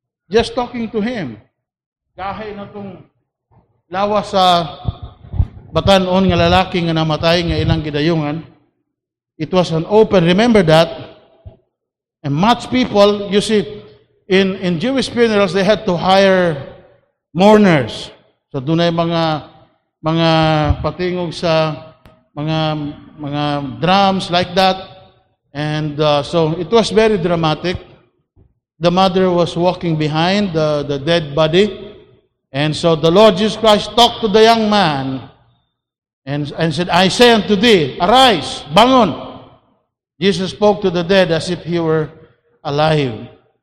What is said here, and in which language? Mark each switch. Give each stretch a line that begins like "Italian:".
English: Just talking to him.
Cebuano: Kahit na itong lawas sa batanon nga lalaki nga namatay nga ilang gidayungan,
English: it was an open, remember that. And much people, you see, in Jewish funerals, they had to hire mourners.
Cebuano: So doon ay mga patingog sa mga
English: drums like that. And so it was very dramatic. The mother was walking behind the dead body. And so the Lord Jesus Christ talked to the young man and said, I say unto thee, arise, bangon. Jesus spoke to the dead as if he were alive.